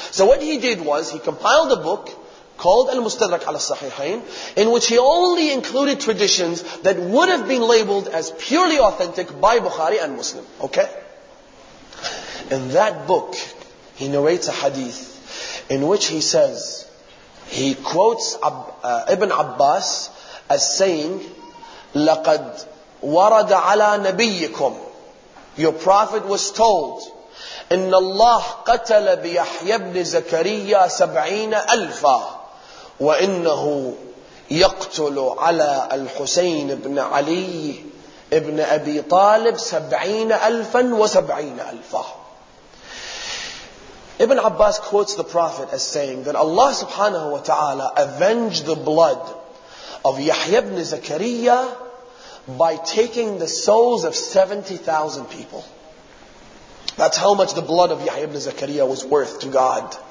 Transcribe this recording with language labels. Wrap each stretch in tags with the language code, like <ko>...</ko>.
<en>So what he did was, he compiled a book called Al-Mustadrak al-Sahihain, in which he only included traditions that would have been labeled as purely authentic by Bukhari and Muslim. Okay? In that book, he narrates a hadith in which he says, he quotes Ibn Abbas as saying,</en> <ar>لَقَدْ وَرَدَ عَلَىٰ نَبِيِّكُمْ.</ar> <en>Your Prophet was told,</en> <ar>إِنَّ اللَّهُ قَتَلَ بِيَحْيَ بْنِ زَكَرِيَّا 70,000 وَإِنَّهُ يَقْتُلُ عَلَىٰ الْحُسَيْنِ بْنِ عَلِيِّ بْنِ أَبِي طَالِبْ 70,000 و70,000.</ar> <en>Ibn Abbas quotes the Prophet as saying that Allah subhanahu wa ta'ala avenged the blood of Yahya ibn Zakariya by taking the souls of 70,000 people. That's how much the blood of Yahya ibn Zakariya was worth to God.</en>